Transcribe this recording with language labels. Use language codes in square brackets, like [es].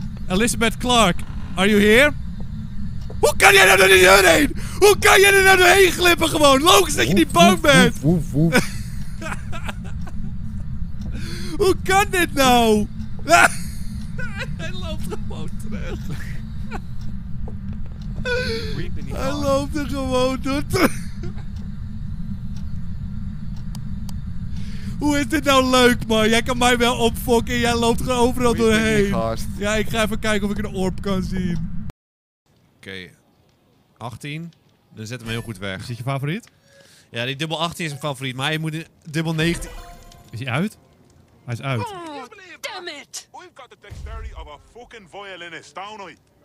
[en] Elizabeth Clark, are you here? [nl] Hoe kan jij er nou doorheen? Hoe kan jij er nou doorheen glippen gewoon? Logisch dat je niet bang bent. Hoe kan dit nou? Hij loopt gewoon terug. Hij loopt er gewoon door Hoe is dit nou leuk, man? Jij kan mij wel opfokken en jij loopt gewoon overal doorheen. Ja, ik ga even kijken of ik een orb kan zien. Oké. 18. Dan zet hem heel goed weg. Is dit je favoriet? Ja, die dubbel 18 is mijn favoriet, maar hij moet een dubbel 19. Is hij uit? Hij is uit. [en] Oh, damn it! We've got the dexterity of a fucking violinist, don't we?